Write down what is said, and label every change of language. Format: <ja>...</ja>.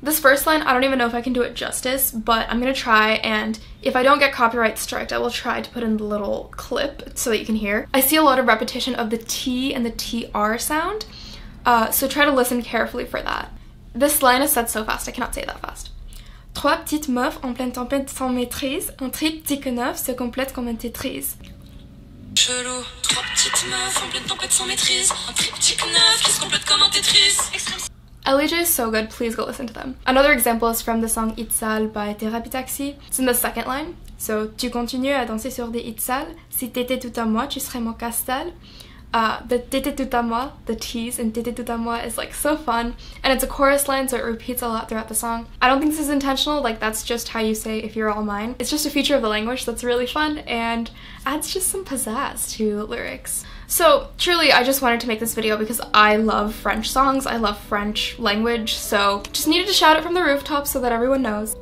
<en>This first line, I don't even know if I can do it justice, but I'm gonna try, and if I don't get copyright striked, I will try to put in the little clip so that you can hear. I see a lot of repetition of the T and the TR sound, so try to listen carefully for that. This line is said so fast, I cannot say that fast.</en> <fr>Trois petites meufs en pleine tempête sans maîtrise, un triptyque neuf se complète comme un tetris. Chelou, trois petites meufs en pleine tempête sans maîtrise, un triptyque neuf qui se complète comme un tetris.</fr> <en>L.E.J is so good, please go listen to them. Another example is from the song Itzal by Therapie TAXI. It's in the second line.</en> <fr>So, tu continues à danser sur des Itzal, si t'étais tout à moi, tu serais mon castel.</fr> <en>The t'étais tout à moi, the T's in t'étais tout à moi is like so fun. And it's a chorus line, so it repeats a lot throughout the song. I don't think this is intentional, like that's just how you say if you're all mine. It's just a feature of the language that's really fun and adds just some pizzazz to lyrics. So truly, I just wanted to make this video because I love French songs, I love French language, so just needed to shout it from the rooftop so that everyone knows.</en>